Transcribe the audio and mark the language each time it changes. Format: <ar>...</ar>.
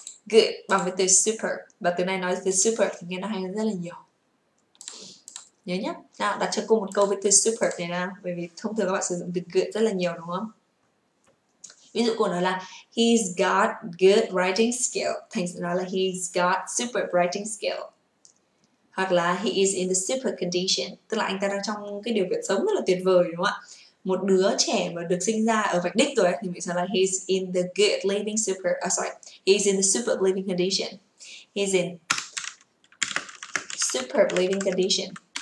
<vi>Good bằng với từ super. Và từ này nói từ super thì nghe nó hay hơn rất là nhiều. Nhớ nhé. Nào, đặt cho cô một câu với từ super này nào. Bởi vì thông thường các bạn sử dụng từ good rất là nhiều đúng không? Ví dụ cô nói là</vi> <en>he's got good writing skill.</en> <vi>Thành sự nói là</vi> <en>he's got super writing skill.</en> <vi>Hoặc là</vi> <en>he is in the super condition.</en> <vi>Tức là anh ta đang trong cái điều kiện sống rất là tuyệt vời đúng không ạ? Một đứa trẻ mà được sinh ra ở vạch đích rồi thì mình sẽ là</vi> <en>he's in the good living super. He's in the super living condition. He's in super living condition.</en>